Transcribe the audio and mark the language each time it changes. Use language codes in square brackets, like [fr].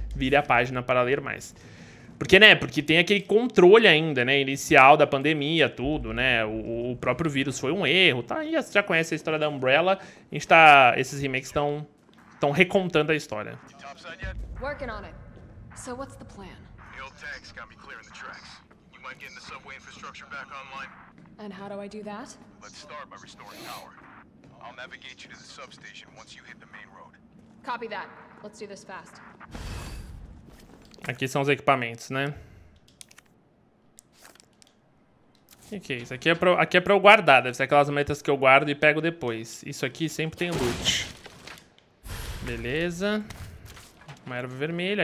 [pt] Vire a página para ler mais. Porque, né, porque tem aquele controle ainda, né, inicial da pandemia, tudo, né, o próprio vírus foi um erro, tá, e você já conhece a história da Umbrella, a gente tá, esses remakes estão recontando a história. [en] Working on it. So what's the plan? The old tanks got me clearing the tracks. You mind getting the subway infrastructure back online? And how do I do that? Let's start by restoring power. I'll navigate you to the substation once you hit the main road. Copy that. Let's do this fast. [pt] Aqui são os equipamentos, né? O que é isso? Aqui é pra eu guardar. Deve ser aquelas metas que eu guardo e pego depois. Isso aqui sempre tem loot. Beleza. Uma erva vermelha.